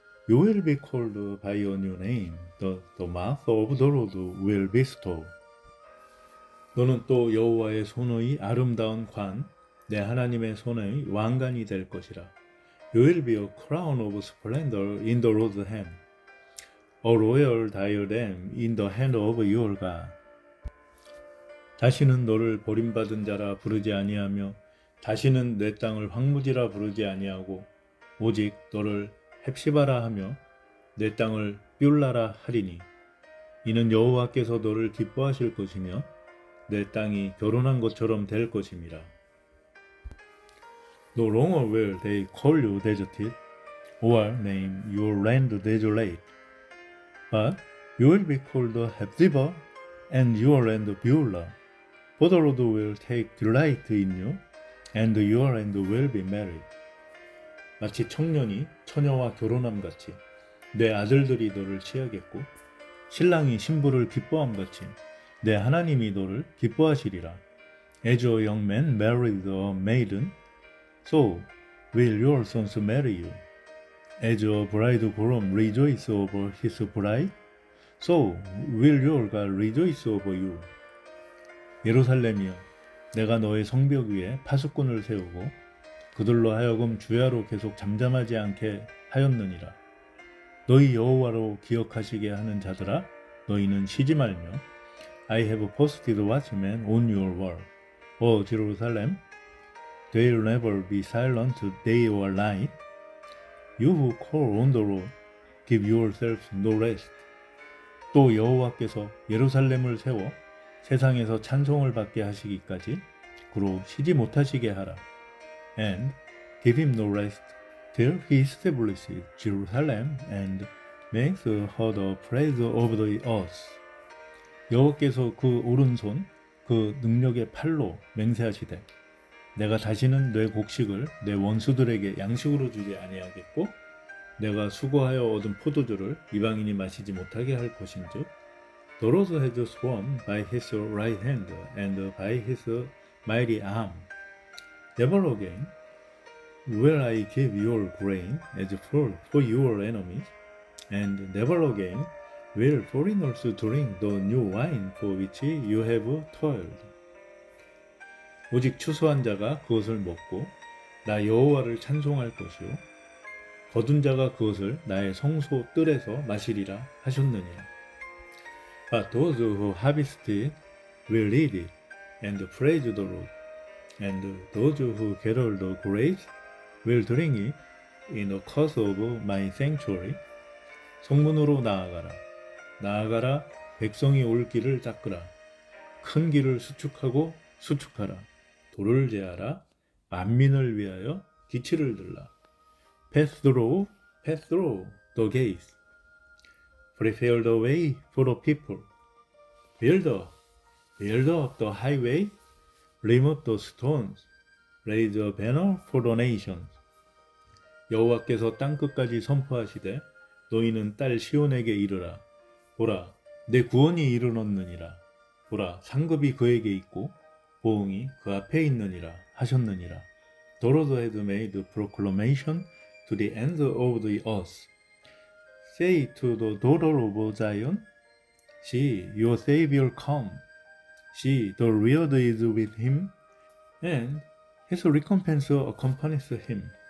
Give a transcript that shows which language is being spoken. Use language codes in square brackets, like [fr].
[en] You will be called by your new name. The mouth of the Lord will bestow. [ko] 너는 또 여호와의 손의 아름다운 관, 내 하나님의 손의 왕관이 될 것이라. [en] You will be a crown of splendor in the Lord's hand, a royal diadem in the hand of your God. [ko] 다시는 너를 버림받은 자라 부르지 아니하며, 다시는 내 땅을 황무지라 부르지 아니하고, 오직 너를 헵시바라 하며 내 땅을 뾰라라 하리니, 이는 여호와께서 너를 기뻐하실 것이며 내 땅이 결혼한 것처럼 될 것임이라. [en] No longer will they call you deserted, or name your land desolate, but you will be called Hephzibah, and your land Beulah. For the Lord will take delight in you, and your land will be married. [ko] 마치 청년이 처녀와 결혼함 같이 내 아들들이 너를 취하겠고, 신랑이 신부를 기뻐함 같이 내 하나님이 너를 기뻐하시리라. [en] As a young man married a maiden, So will your sons marry you. As a bridegroom rejoices over his bride, so will your God rejoice over you. [ko] 예루살렘이여, 내가 너의 성벽 위에 파수꾼을 세우고 그들로 하여금 주야로 계속 잠잠하지 않게 하였느니라. 너희 여호와로 기억하시게 하는 자들아, 너희는 쉬지 말며, [en] I have posted watchmen on your wall, O Jerusalem. They'll never be silent day or night. You who call on the Lord, give yourselves no rest. [ko] 또 여호와께서 예루살렘을 세워 세상에서 찬송을 받게 하시기까지 그로 쉬지 못하시게 하라. [en] And give him no rest till he establishes Jerusalem and makes her the praise of the earth. [ko] 여호와께서 그 오른손, 그 능력의 팔로 맹세하시되, 내가 다시는 내 곡식을 내 원수들에게 양식으로 주지 아니하겠고, 내가 수고하여 얻은 포도주를 이방인이 마시지 못하게 할 것인즉, [en] The Lord has sworn by his right hand and by his mighty arm, Never again will I give your grain as food for your enemies, and never again will foreigners drink the new wine for which you have toiled. [ko] 오직 추수한 자가 그것을 먹고 나 여호와를 찬송할 것이요, 거둔 자가 그것을 나의 성소 뜰에서 마시리라 하셨느니라. [en] But those who harvested will eat it and praise the Lord, and those who gather the grapes will drink it in the courts of my sanctuary. [ko] 성문으로 나아가라, 나아가라, 백성이 올 길을 닦으라, 큰 길을 수축하고 수축하라, 돌을 제하라, 만민을 위하여 기치를 들라. Pass through the gates. Prepare the way for the people. Build up the highway. Remove the stones. Raise a banner for the nations. 여호와께서 땅끝까지 선포하시되, 너희는 딸 시온에게 이르라. 보라, 내 구원이 이르렀느니라. 보라, 상급이 그에게 있고 보응이 그 앞에 있느니라 하셨느니라. [en] The Lord has made proclamation to the ends of the earth. Say to the daughter of Zion, See, your Savior come. See, the Lord is with him, and his recompense accompanies him.